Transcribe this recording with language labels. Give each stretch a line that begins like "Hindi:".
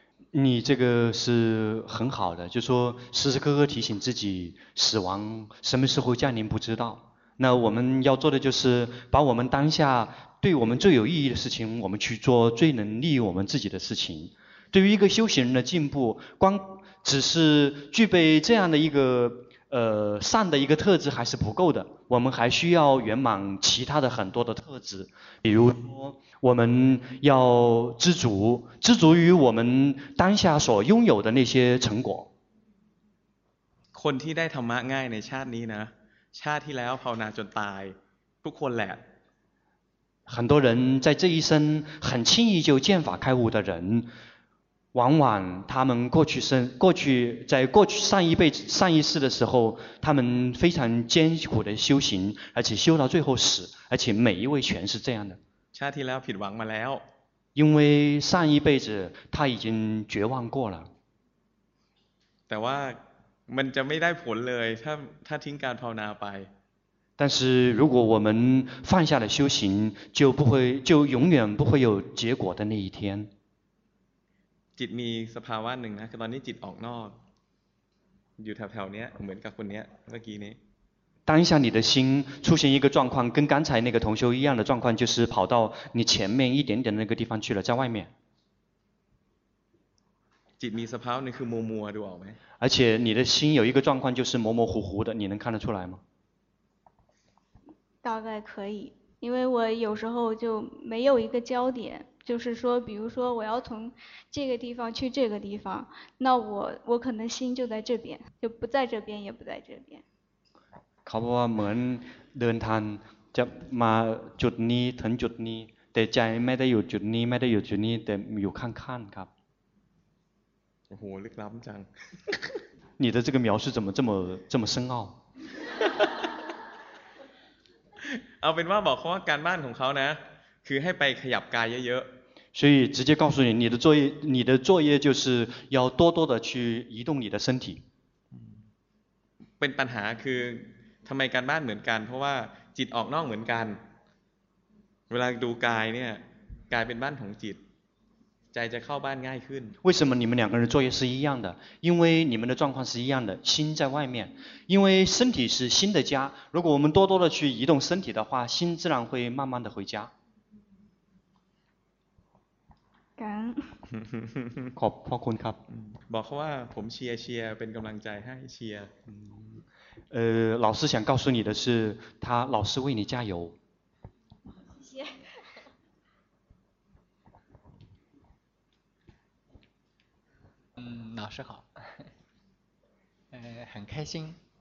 Chinese: 你这个是很好的就是说时时刻刻提醒自己死亡什么时候降临不知道那我们要做的就是把我们当下对我们最有意义的事情我们去做最能利于我们自己的事情对于一个修行人的进步光只是具备这样的一个善的一个特质还是不够的，我们还需要圆满其他的很多的特质，比如说我们要知足，知足于我们当下所拥有的那些成果。
Thai: คนที่ได้ธรรมะง่ายในชาตินี้นะชาติที่แล้วภาวนาจนตายทุกคนแหละ
Chinese: 很多人在这一生很轻易就见法开悟的人，往往他们过去生过去在过去上一辈子上一世的时候，他们非常艰苦的修行，而且修到最后死，而且每一位全是这样的。
Thai: ชาติที่แล้วผิดหวังมาแล้ว
Chinese: 因为上一辈子他已经绝望过了。
Thai: แต่ว่ามันจะไม่ได้ผลเลยถ้าทิ้งการภาวนาไป
Chinese: 但是如果我们放下了修行，就不会，就永远不会有结果的那一天。
Thai: จิตมีสภาวะหนึ่งนะตอนนี้จิตออกนอกอยู่แถวๆนี้เหมือนกับคนนี้เมื่อกี้นี้
Chinese: 当下你的心出现一个状况，跟刚才那个同修一样的状况，就是跑到你前面一点点的那个地方去了，在外面。
Thai: จิตมีสภาวะนี่คือมัวมัวดูออกไหม？
Chinese: 而且你的心有一个状况就是模模糊糊的，你能看得出来吗？大概可以，因为我有时候就没有一个焦点，就是说比如说我要从这个地方去这个地方，那我可能心就在这边，就不在这边也不在这边。
Thai: เขาบอกว่าเหมือนเดินทางจะมาจุดนี้ถึงจุดนี้แต่ใจไม่ได้อยู่จุดนี้ไม่ได้อยู่จุดนี้แต่อยู่ข้างๆครับ โอ้โหลึกล้ำจัง
Chinese: 你的这个描述怎么这么深奥
Thai: เอาเป็นว่าบอกเขาว่าการบ้านของเขานะคือให้ไปขยับกายเยอะ
Chinese: ๆ所以直接告诉你你的作业就是要多多的去移动你的身体
Thai: เป็นปัญหาคือทำไมการบ้านเหมือนกันเพราะว่าจิตออกนอกเหมือนกันเวลาดูกายเนี่ยกายเป็นบ้านของจิตใจจะเข้าบ้านง่ายขึ้น
Chinese: 为什么你们两个人作业是一样的？因为你们的状况是一样的，心在外面，因为身体是心的家。如果我们多多的去移动身体的话，心自然会慢慢的回家。感恩。
Thai: ขอบพระคุณครับ。 บอกเขาว่าผมเชียร์เชียร์เป็นกำลังใจให้เชียร์。
Chinese: 老师想告诉你的是，他老师为你加油。嗯，老师好。很开心。